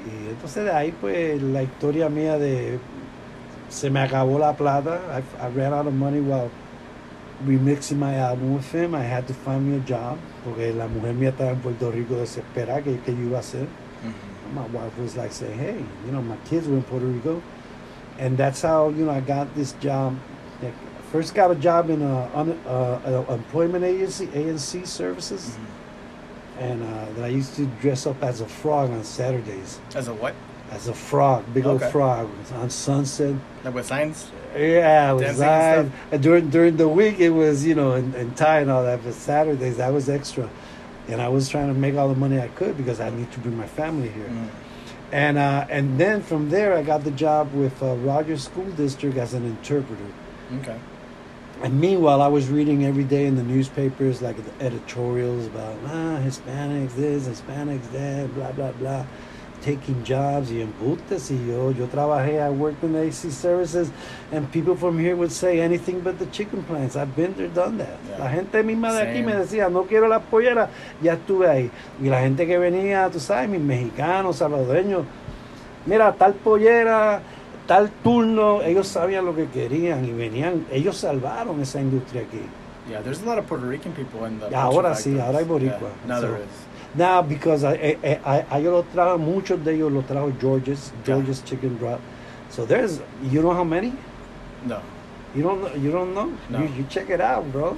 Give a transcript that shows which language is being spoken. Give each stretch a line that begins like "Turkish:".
Spanish: Y entonces de ahí, pues, la historia mía de... Se me acabó la plata.
English: I ran out of money while remixing my album with him. I had to find me a job.
Spanish: Porque la mujer mía estaba en Puerto Rico desesperada. ¿Qué yo iba a hacer? Mm-hmm.
English: My wife was like, say, hey, you know, my kids were in Puerto Rico. And that's how, you know, I got this job. First got a job in an employment agency, ANC Services. Mm-hmm. And that I used to dress up as a frog on Saturdays. As a what? As a frog, big old frog, on Sunset. Like with signs? Yeah, with signs. And during the week, it was, you know, in tie and all that. But Saturdays, that was extra. And I was trying to make all the money I could because I need to bring my family here. Mm. And then from there, I got the job with Rogers School District as an interpreter. Okay. And meanwhile, I was reading every day in the newspapers, like the editorials about, Hispanics this, Hispanics that, blah, blah, blah. Taking jobs,
Spanish: y embutes, y yo trabajé,
English: I worked in AC services, and people from here would say anything but the chicken plants. I've been there, done that. Yeah.
Spanish: La gente misma de aquí me decía, no quiero la pollera, ya estuve ahí. Y la gente que venía, tú sabes, mis mexicanos, salvadoreños, mira, tal pollera, tal turno, ellos sabían lo que querían, y venían, ellos salvaron esa industria aquí.
English: Yeah, there's a lot of Puerto Rican people in the...
Spanish: Ahora sí, ahora hay boricua.
English: Yeah. Now there is. Now, because I
Spanish: lo trajo, muchos de ellos lo trajo George's chicken broth.
English: So there's, you know how many? No. You don't know? No. You check it out, bro.